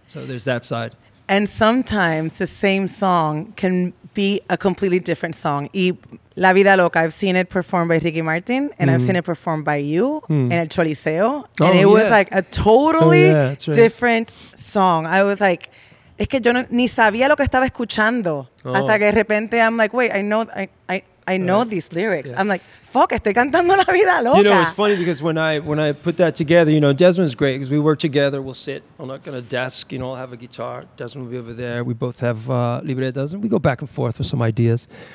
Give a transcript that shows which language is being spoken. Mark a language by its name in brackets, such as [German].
[English] So there's that side. And sometimes the same song can be a completely different song. La Vida Loca, I've seen it performed by Ricky Martin, and I've seen it performed by you in El Choliseo. And it was like a totally different song. I was like, [Spanish] es que yo no, ni sabía lo que estaba escuchando. Oh. Hasta que de repente [English] I'm like, wait, I know these lyrics. Yeah. I'm like, fuck, [Spanish] estoy cantando [English] La Vida Loca. You know, it's funny because when I put that together, you know, Desmond's great because we work together. We'll sit on a desk, you know, I'll have a guitar. Desmond will be over there. We both have libretas, and we go back and forth with some ideas.